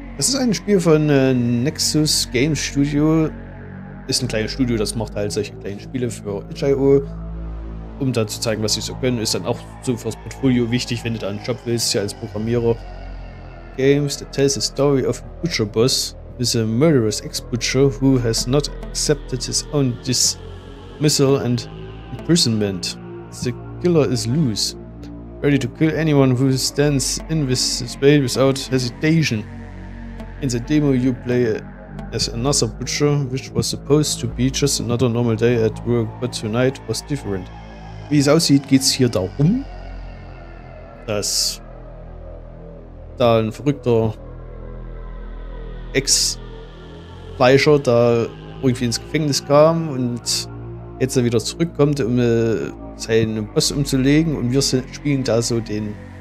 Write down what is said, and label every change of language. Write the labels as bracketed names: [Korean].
[German] Das ist ein Spiel von Nexus Game Studio. Ist ein kleines Studio, das macht halt solche kleinen Spiele für itch.io. Um da zu zeigen, was sie so können. Ist dann auch so fürs Portfolio wichtig, wenn du da einen Job willst, ja, als Programmierer. [English] Games that tells the story of a butcher boss is a murderous ex-butcher who has not accepted his own dismissal and imprisonment. The killer is loose, ready to kill anyone who stands in his way without hesitation. In the demo you play as another butcher, which was supposed to be just another normal day at work, but tonight was different. [German] Wie es aussieht, geht's hier darum, dass da ein verrückter Ex-Fleischer da irgendwie ins Gefängnis kam und jetzt wieder zurückkommt, um seinen Boss umzulegen, und wir spielen da so den,